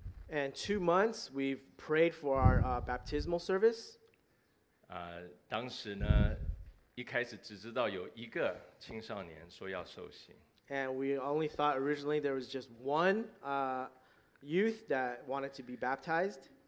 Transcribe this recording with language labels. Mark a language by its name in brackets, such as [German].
[English] And 2 months we've prayed for our baptismal service. [Chinese] 当时呢，一开始只知道有一个青少年说要受洗。 [English] And we only thought originally there was just one youth that wanted to be baptized.